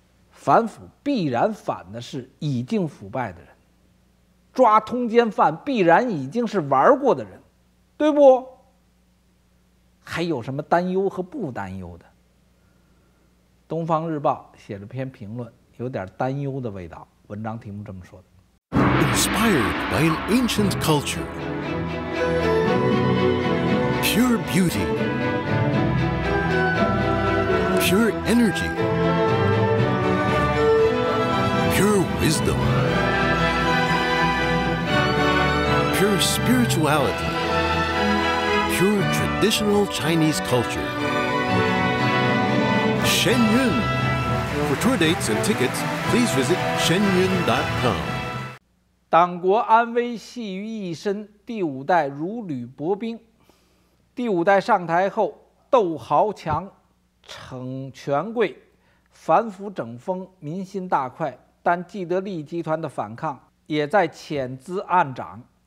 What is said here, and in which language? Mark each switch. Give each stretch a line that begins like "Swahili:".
Chinese: 反腐必然反的是已经腐败的人，抓通奸犯必然已经是玩过的人，对不？还有什么担忧和不担忧的？东方日报写了篇评论，有点担忧的味道，文章题目这么说的。
English: Inspired by an ancient culture, Pure beauty, Pure energy, Pure wisdom,Pure spirituality, pure traditional Chinese culture. Shen Yun. For tour dates and tickets, please visit shenyun.com.
Chinese: 党国安危系于一身，第五代如履薄冰。第五代上台后，斗豪强，逞权贵，反腐整风，民心大快。但既得利益集团的反抗也在潜滋暗长。